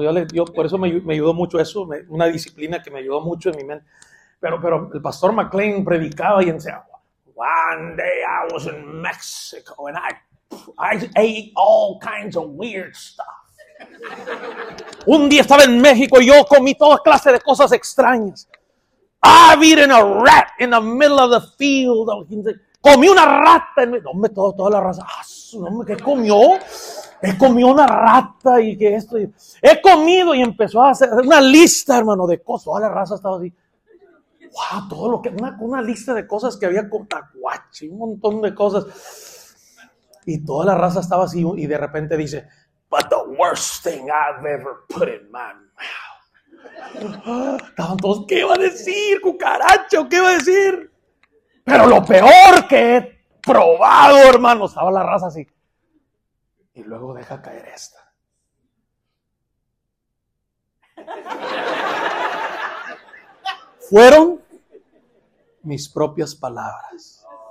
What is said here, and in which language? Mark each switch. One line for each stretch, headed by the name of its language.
Spanish: Yo por eso me ayudó mucho eso, una disciplina que me ayudó mucho en mi mente. Pero el pastor McLean predicaba y decía,
English: one day I was in Mexico and I ate all kinds of weird stuff.
Spanish: Un día estaba en México y yo comí toda clase de cosas extrañas.
English: I've eaten a rat in the middle of the field.
Spanish: Comí una rata. Hombre, toda la raza. Hombre, ¿qué comió? He comido una rata y que esto. He comido y empezó a hacer una lista, hermano, de cosas. Toda la raza estaba así. Wow, todo lo que. Una lista de cosas que había con tacuache, un montón de cosas. Y toda la raza estaba así y de repente dice.
English: But the worst thing I've ever put in my mouth.
Spanish: Entonces, ¿qué iba a decir, cucaracho? ¿Qué iba a decir? Pero lo peor que he probado, hermano, estaba la raza así. Y luego deja caer esta. Fueron mis propias palabras.